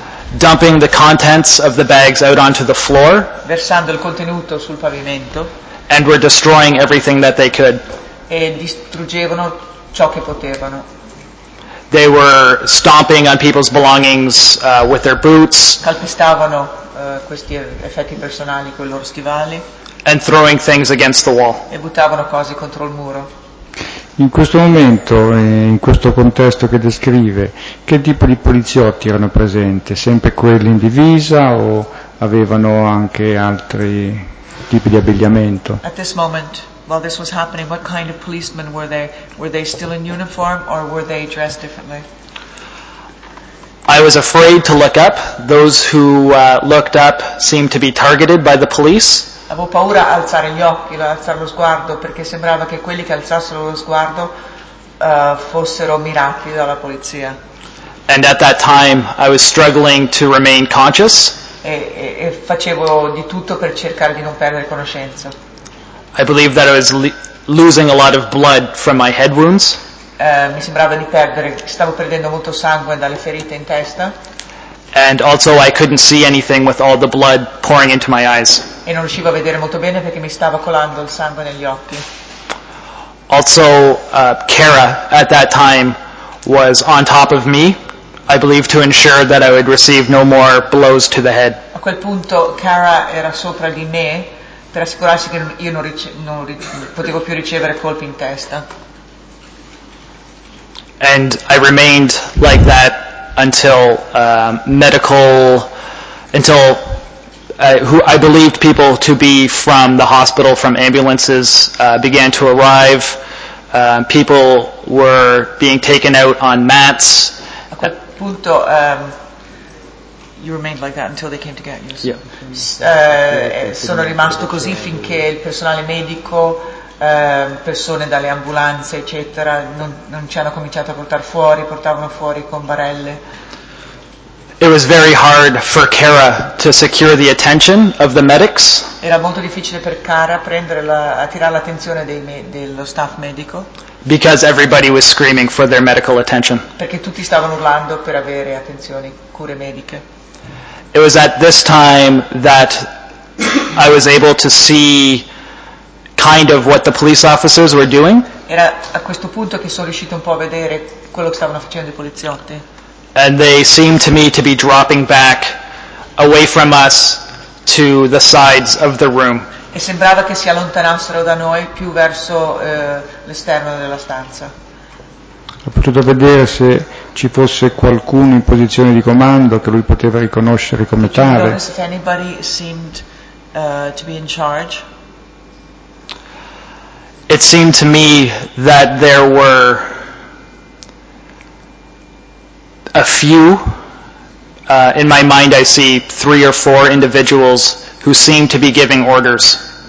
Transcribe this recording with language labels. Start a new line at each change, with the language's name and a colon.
English: Dumping the contents of the bags out onto the floor.
Italian: Versando il contenuto sul pavimento.
English: And were destroying everything that they could.
Italian: E distruggevano ciò che potevano.
English: They were stomping on people's belongings with their boots.
Italian: Calpestavano questi effetti personali con i loro stivali.
English: And throwing things against the wall.
Italian: E buttavano cose contro il muro. In questo momento, in questo contesto che descrive, che tipo di poliziotti erano presenti? Sempre quelli in divisa o avevano anche altri tipi di abbigliamento?
English: At this moment, while this was happening, what kind of policemen were they? Were they still in uniform or were they dressed differently? I was afraid to look up. Those who looked up seemed to be targeted by the police.
Italian: Avevo paura di alzare gli occhi, di alzare lo sguardo, perché sembrava che quelli che alzassero lo sguardo fossero mirati dalla polizia.
English: And at that time I was struggling to remain conscious.
Italian: E facevo di tutto per cercare di non perdere conoscenza.
English: I believe that I was losing a lot of blood from my head wounds.
Italian: Mi sembrava di perdere, stavo perdendo molto sangue dalle ferite in testa.
English: And also I couldn't see anything with all the blood pouring into my eyes.
Italian: E non riuscivo a vedere molto bene perché mi stava colando il sangue negli occhi.
English: Also, Kara at that time was on top of me, I believe to ensure that I would receive no more blows to the head.
Italian: A quel punto Kara era sopra di me per assicurarsi che io non potevo più ricevere colpi in testa.
English: And I remained like that until who I believed people to be from the hospital, from ambulances, began to arrive. People were being taken out on mats.
Italian: A quel punto,
English: you remained like that until they came to get you. Yeah.
Italian: Sono rimasto così finché il personale medico, persone dalle ambulanze, eccetera, non ci hanno cominciato a portare fuori, portavano fuori con barelle.
English: It was very hard for Kara to secure the attention of the medics.
Italian: Era molto difficile per Kara attirare l'attenzione dello staff medico.
English: Because everybody was screaming for their medical attention.
Italian: Perché tutti stavano urlando per avere attenzione, cure mediche.
English: It was at this time that I was able to see kind of what the police officers were doing.
Italian: Era a questo punto che sono riuscito un po' a vedere quello che stavano facendo i poliziotti.
English: And they seemed to me to be dropping back away from us to the sides of the room.
Italian: E sembrava che si allontanassero da noi più verso l'esterno della stanza. Ho potuto vedere se ci fosse qualcuno in posizione di comando che lui poteva riconoscere come tale.
English: Did you notice if anybody seemed to be in charge? It seemed to me that there were a few, in my mind I see three or four individuals who seem to be giving orders.